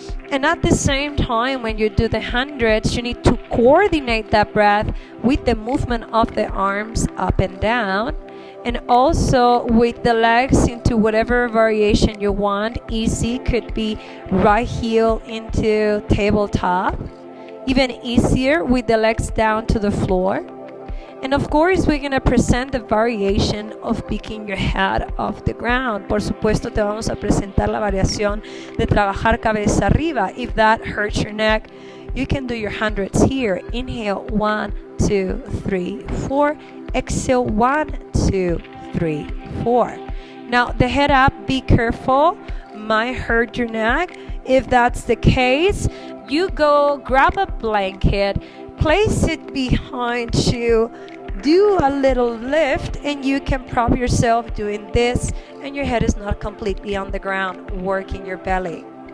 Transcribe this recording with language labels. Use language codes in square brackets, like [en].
[en] And at the same time, when you do the hundreds, you need to coordinate that breath with the movement of the arms up and down, and also with the legs into whatever variation you want. Easy could be right heel into tabletop. Even easier with the legs down to the floor. And of course, we're gonna present the variation of picking your head off the ground. [es] Por supuesto, te vamos a presentar la variación de trabajar cabeza arriba. [en] If that hurts your neck, you can do your hundreds here. Inhale, 1, 2, 3, 4. Exhale, 1, 2, 3, 4. Now, the head up, be careful. Might hurt your neck. If that's the case, you go grab a blanket, place it behind you, do a little lift, and you can prop yourself doing this, and your head is not completely on the ground working your belly.